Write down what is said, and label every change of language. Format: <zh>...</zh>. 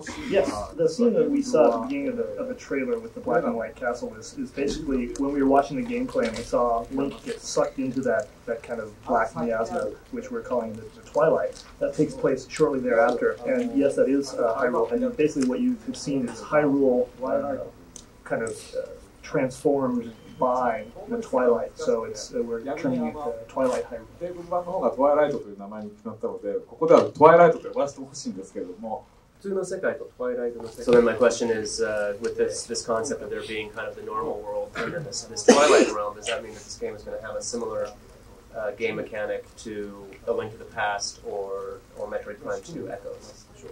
<en>Yes, the scene that we saw at the beginning of the trailer with the black and white castle is basically when we were watching the gameplay and we saw Link get sucked into that kind of black miasma, which we're calling the Twilight. That takes place shortly thereafter. And yes, that is Hyrule. And basically what you have seen is Hyrule kind of transformed by the Twilight. So it's we're turning it Twilight Hyrule.</en> <ja>Twilight という名前になったので、ここではトワイライトと呼ばせてほしいんですけども、</ja> <en>So then my question is, with this concept of there being kind of the normal world under this Twilight realm, does that mean that this game is going to have a similar game mechanic to A Link to the Past or Metroid Prime 2 Echoes?</en>